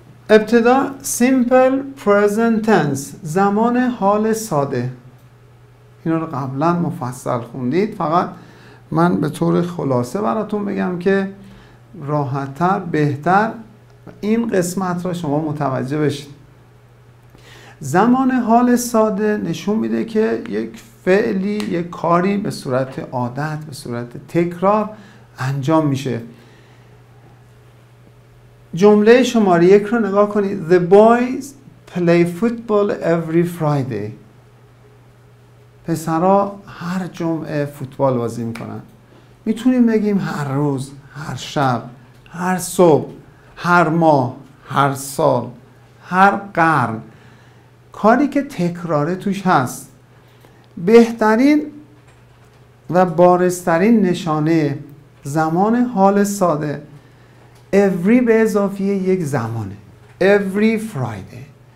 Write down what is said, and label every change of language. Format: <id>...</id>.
<fa>ابتدا</fa> <en>simple present tense،</en> <fa>زمان حال ساده، این را قبلا مفصل خوندید، فقط من به طور خلاصه براتون بگم که راحت‌تر بهتر این قسمت را شما متوجه بشید. زمان حال ساده نشون میده که یک فعلی، یک کاری به صورت عادت، به صورت تکرار انجام میشه. جمله شماره 1 رو نگاه کنید.</fa> <en>The boys play football every Friday.</en> <fa>پسرها هر جمعه فوتبال بازی میکنن. میتونیم بگیم هر روز، هر شب، هر صبح، هر ماه، هر سال، هر قرن. کاری که تکراره توش هست. بهترین و بارزترین نشانه زمان حال ساده every به اضافه یک زمانه،</fa> <en>every Friday.</en>